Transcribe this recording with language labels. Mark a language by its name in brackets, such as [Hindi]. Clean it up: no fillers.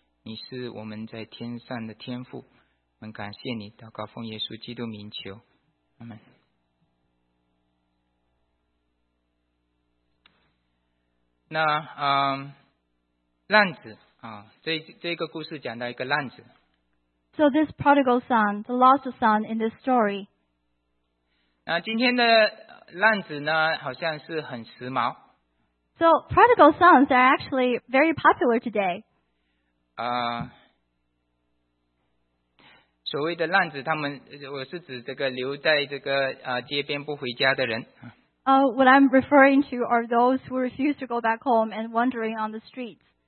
[Chinese] 你是我们在天上的天父，我们感谢你，祷告奉耶稣基督名求，阿们。那浪子啊，这个故事讲到一个浪子。 [English] So this prodigal son, the lost son in this story. [Chinese] 那今天的浪子呢，好像是很时髦。 [English] So prodigal sons are actually very popular today. [Chinese] 所谓的浪子，他们，我是指这个留在这个街边不回家的人。 [English] What I'm referring to are those who refuse to go back home and wandering on the streets.